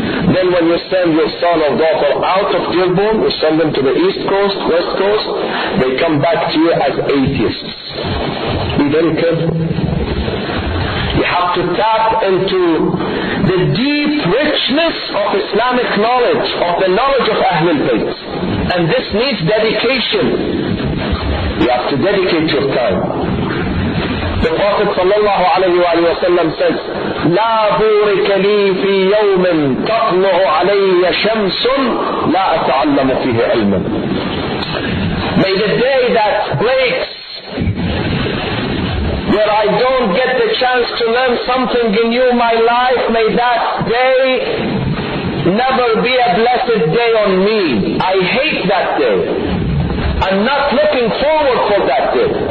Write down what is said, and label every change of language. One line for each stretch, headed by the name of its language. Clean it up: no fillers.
English: Then when you send your son or daughter out of Dearborn, you send them to the East Coast, West Coast, they come back to you as atheists. Be very careful. You have to tap into the deep richness of Islamic knowledge, of the knowledge of Ahlul Bayt. And this needs dedication. You have to dedicate your time. The Prophet sallallahu alayhi wa sallam says,
Arabic: لا بورك لي في يوم تطلع علي شمس لا أتعلم فيه علما.
English: May the day that breaks, where I don't get the chance to learn something in you, my life, may that day never be a blessed day on me. I hate that day. I'm not looking forward for that day.